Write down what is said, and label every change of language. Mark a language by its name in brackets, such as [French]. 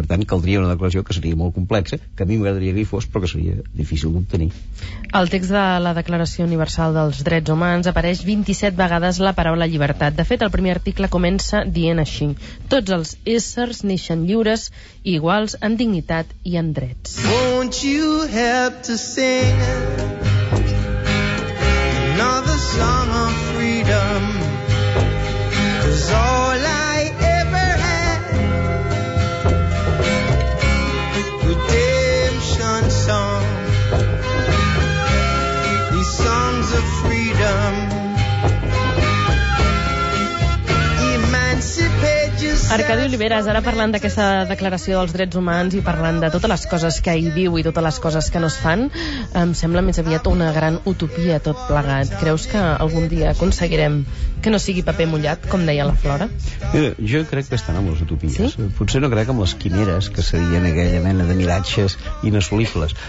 [Catalan] Per tant, caldria una declaració que seria molt complexa, que a mi m'agradaria que hi fos, però que seria difícil d'obtenir. El text de la Declaració Universal dels Drets Humans apareix 27 vegades la paraula llibertat. De fet, el primer article comença dient així: tots els éssers neixen lliures i iguals en dignitat i en drets. [English] Won't you help to sing another song of freedom, 'cause all I ever had, redemption song, these songs of freedom, emancipate yourself. [Catalan] Arcadi Oliveres, ara parlant d'aquesta declaració dels drets humans i parlant de totes les coses que hi diu i totes les coses que no es fan, em sembla més aviat una gran utopia tot plegat. Creus que algun dia aconseguirem que no sigui paper mullat, com deia la Flora? Mira, jo crec que estan amb les utopies. Sí? Potser no crec amb les quimeres, que serien aquella mena de miratges inassolibles.